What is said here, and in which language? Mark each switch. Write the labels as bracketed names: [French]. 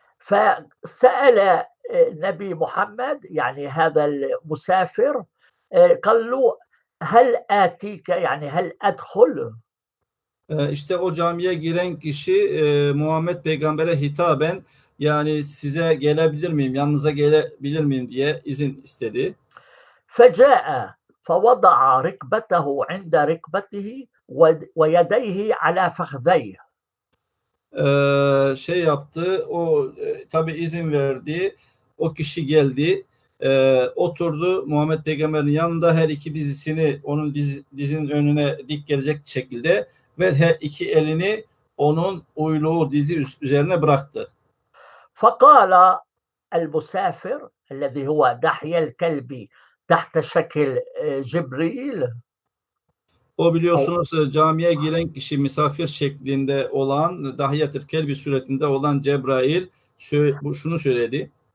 [Arabic] فسأل نبي محمد يعني هذا المسافر قال له هل آتيك يعني هل أدخل؟ [Turkish] İşte o camiye giren kişi Muhammed Peygamber'e hitaben yani size gelebilir miyim, yanınıza gelebilir miyim diye izin istedi. [Arabic] فجاء فوضع ركبته عند ركبته ويديه على فخذيه. [Turkish] Şey yaptı, o tabi izin verdi, o kişi geldi, oturdu Muhammed Peygamber'in yanında her iki dizisini onun dizinin önüne dik gelecek şekilde. Ve her iki elini onun uyluğu dizi üzerine bıraktı. [Arabic] فقال المسافر الذي هو دحية الكلب تحت شكل جبريل [Turkish] O biliyorsunuz camiye giren kişi misafir şeklinde olan Dahiyatül Kelbi suretinde olan Cebrail şunu söyledi.